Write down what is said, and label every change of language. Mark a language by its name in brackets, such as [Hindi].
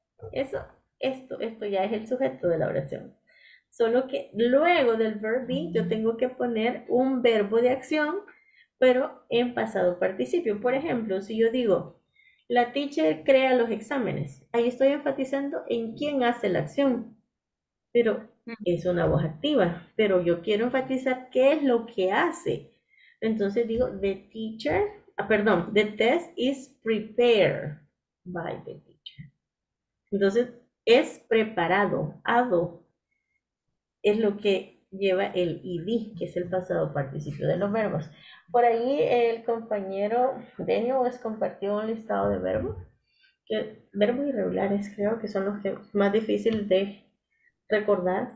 [Spanish] Eso, esto ya es el sujeto de la oración. Solo que luego del verb be, yo tengo que poner un verbo de acción, pero en pasado participio. Por ejemplo, si yo digo, la teacher crea los exámenes, ahí estoy enfatizando en quién hace la acción. Pero es una voz activa, pero yo quiero enfatizar qué es lo que hace. Entonces digo, [English] the test is prepared by the teacher. [Spanish] Entonces, es preparado, ado. Es lo que lleva el ed, que es el pasado participio de los verbos. Por ahí el compañero Daniel les compartió un listado de verbos, que verbos irregulares creo que son los que más difícil de recordar.